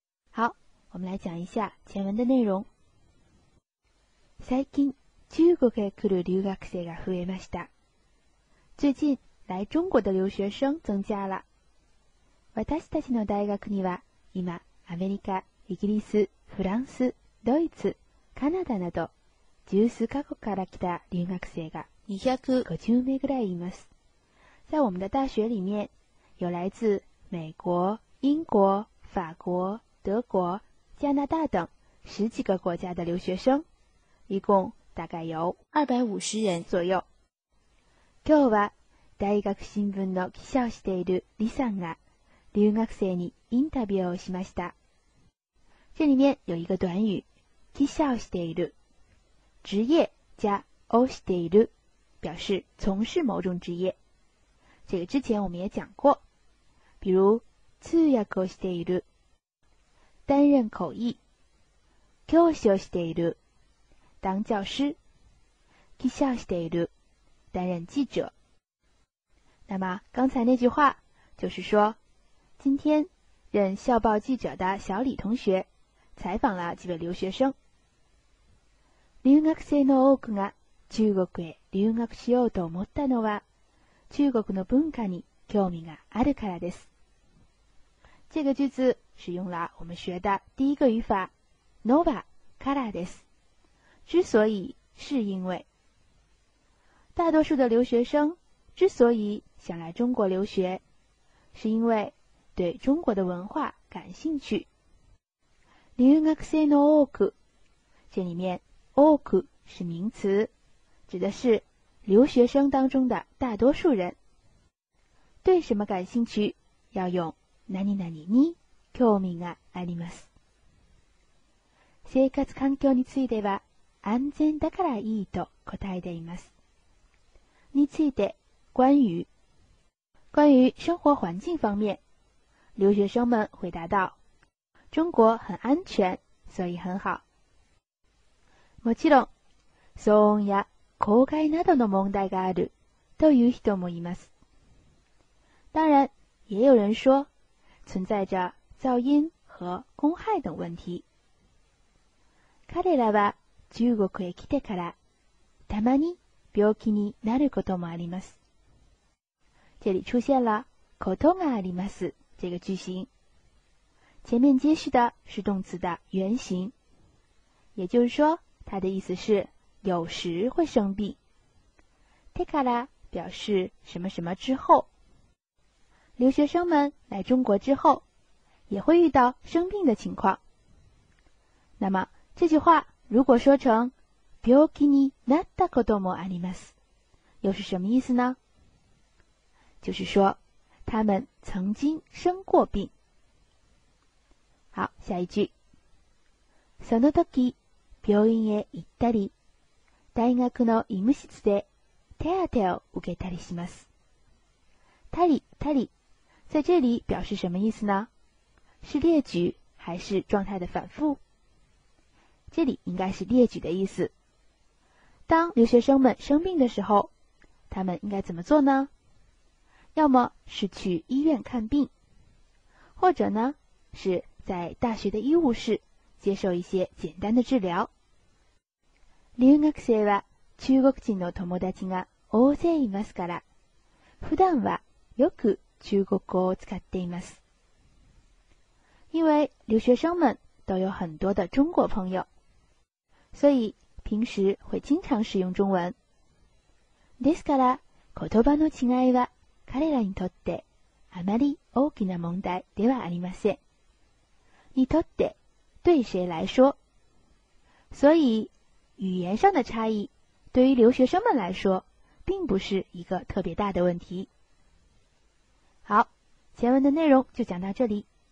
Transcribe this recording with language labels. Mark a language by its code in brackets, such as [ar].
[zh] 好，我们来讲一下前文的内容。 [ja] 最近中国へ来る留学生が増えました。 [zh] 最近来中国的留学生增加了。 [ja] 私たちの大学には今アメリカ、イギリス、フランス、ドイツ、カナダなど十数カ国から来た留学生が250名ぐらいいます。 [zh] 在我们的大学里面有来自美国、英国、法国、德国、加拿大等十几个国家的留学生、一共大概有 250人左右。 [ja] 今日は大学新聞の記者をしている李さんが留学生にインタビューをしました。 [zh] 这里面有一个短语、 [ja] 記者をしている。 [zh] 职业加をしている、表示从事某种职业。这个之前我们也讲过。比如、 [ja] 通訳をしている。 [zh] 担任口译、 [ja] 教師をしている、 [zh] 当教师、 [ja] 記者をしている、 [zh] 担任记者。那么刚才那句话就是说，今天任校报记者的小李同学采访了几位留学生。 [ja] 留学生の多くが中国へ留学しようと思ったのは、中国の文化に興味があるからです。 [zh] 这个句子使用了我们学的第一个语法 Nova からです。之所以是因为大多数的留学生之所以想来中国留学是因为对中国的文化感兴趣。 [ja] 留学生の多く [zh] 这里面多く是名词指的是留学生当中的大多数人。对什么感兴趣要用 [ja] 何々に興味があります。生活環境については、安全だからいいと答えています。 [zh] について、关于生活环境方面，留学生们回答道：中国很安全，所以很好。 [ja] もちろん、騒音や公害などの問題があるという人もいます。 [zh] 当然，也有人说存在着噪音和公害等问题。 [ja] 彼らは中国へ来てからたまに病気になることもあります。 [zh] 这里出现了ことがあります这个句型。前面揭示的是动词的原型。也就是说它的意思是有时会生病。てから表示什么什么之后。留学生们来中国之后也会遇到生病的情况。那么这句话如果说成 [ja] 病気になったこともあります [zh] 又是什么意思呢？就是说他们曾经生过病。好，下一句。 [ja] その時病院へ行ったり大学の医務室で手当てを受けたりします。 [zh] たりたり在这里表示什么意思呢？是列举还是状态的反复？这里应该是列举的意思。当留学生们生病的时候，他们应该怎么做呢？要么是去医院看病，或者呢，是在大学的医务室接受一些简单的治疗。 [ja] 留学生は中国人の友達が大勢いますから、普段はよく中国語を使っています。 [zh] 因为留学生们都有很多的中国朋友，所以平时会经常使用中文。 [ja] ですから、言葉の違いは彼らにとってあまり大きな問題ではありません。 [zh] にとって、对谁来说？所以，语言上的差异对于留学生们来说，并不是一个特别大的问题。好，前文的内容就讲到这里。